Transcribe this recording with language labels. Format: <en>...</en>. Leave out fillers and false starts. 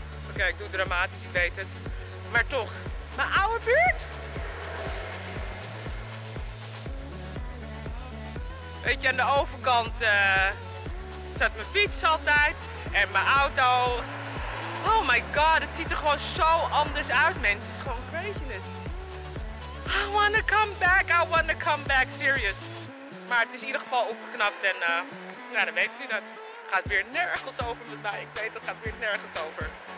<nl>Oké, ik doe dramatisch, ik weet het. Maar toch, mijn oude buurt. Weet je, aan de overkant zat mijn fiets altijd. En mijn auto.</nl> <en>Oh my god,</en> <nl>het ziet er gewoon zo anders uit, mensen. Het is gewoon craziness.</nl> <en>I wanna come back, I wanna come back, serious.</en> <nl>Maar het is in ieder geval opgeknapt en nou, dan weet u dat. Het gaat weer nergens over met mij, ik weet het, gaat weer nergens over.</nl>